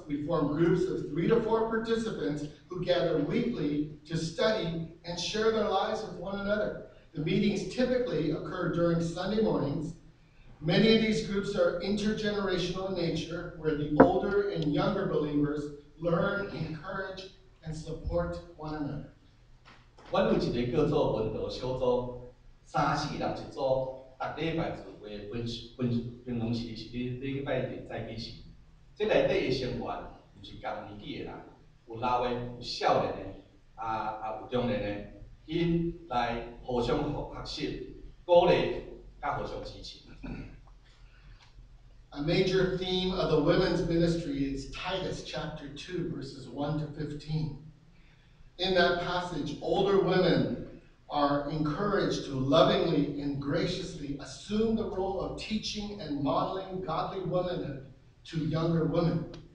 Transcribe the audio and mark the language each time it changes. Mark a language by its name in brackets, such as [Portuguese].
[English] We form groups of 3 to 4 participants who gather weekly to study and share their lives with one another. The meetings typically occur during Sunday mornings. Many of these groups are intergenerational in nature, where the older and younger believers learn, encourage, and support one another. [Min Nan Chinese] 阮有一个叫做文道小组，三四人一组，逐礼拜聚会，平常时是伫礼拜日早起时。即内底个成员，就是同年纪个人，有老个，有少年个，啊有中年个，因来互相学习、鼓励、甲互相支持。 [English] A major theme of the women's ministry is Titus chapter 2, verses 1 to 15. In that passage, older women are encouraged to lovingly and graciously assume the role of teaching and modeling godly womanhood to younger women.